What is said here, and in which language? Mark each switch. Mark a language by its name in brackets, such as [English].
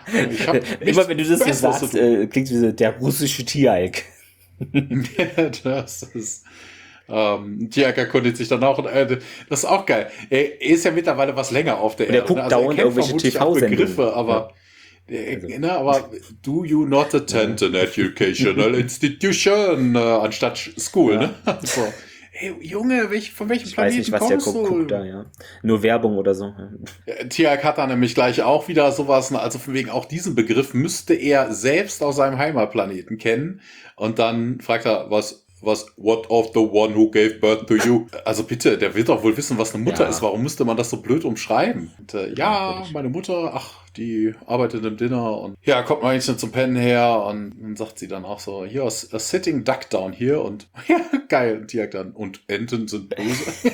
[German] Ich hab immer wenn du das hier sagst, klingt wie so der russische Tialk. Das ist... Tialk erkundigt sich dann auch. Das ist auch geil. Er ist ja mittlerweile was länger auf der Erde. Er guckt also dauernd irgendwelche TV-Sendungen. Begriffe, aber, ja. [English] Aber do you not attend an educational institution? [German] Anstatt school, ja. Ne? Also, Junge, von welchem ich Planeten kommst du? Ich weiß nicht, was der guckt da, ja. Nur Werbung oder so. Tialk hat da nämlich gleich auch wieder sowas, also von wegen auch diesen Begriff müsste er selbst aus seinem Heimatplaneten kennen. Und dann fragt er, was, [English] what of the one who gave birth to you? [German] Also bitte, der wird doch wohl wissen, was eine Mutter ist. Warum müsste man das so blöd umschreiben? Und, meine Mutter, die arbeitet im Dinner. Und ja, kommt mal nicht zum Pennen her. Und dann sagt sie dann auch so, hier, [English] a sitting duck down here. [German] Und ja, geil. Und Tialk dann, und Enten sind böse.